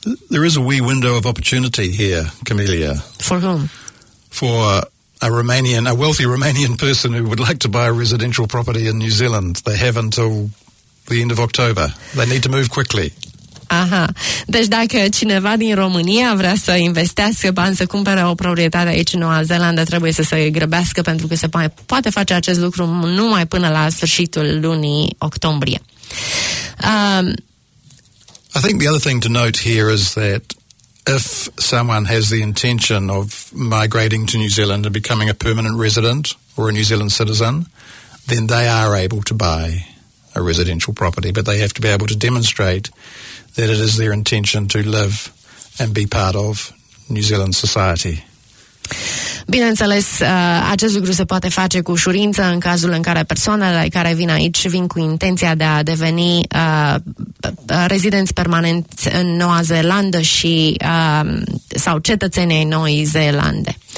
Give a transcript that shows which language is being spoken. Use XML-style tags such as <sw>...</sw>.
<en>There is a wee window of opportunity here, Camelia. For whom? For a Romanian, a wealthy Romanian person who would like to buy a residential property in New Zealand. They have until the end of October. They need to move quickly. Aha.</en> <ro>Deci dacă cineva din România vrea să investească bani, să cumpere o proprietate aici în Noua Zeelandă, trebuie să se grăbească pentru că se poate face acest lucru numai până la sfârșitul lunii octombrie.</ro> <en>I think the other thing to note here is that if someone has the intention of migrating to New Zealand and becoming a permanent resident or a New Zealand citizen, then they are able to buy a residential property, but they have to be able to demonstrate that it is their intention to live and be part of New Zealand society.</en> <ro>Bineînțeles, acest lucru se poate face cu ușurință în cazul în care persoanele care vin aici vin cu intenția de a deveni rezidenți permanenți în Noua Zeelandă și sau cetățenii Noii Zeelande.</ro>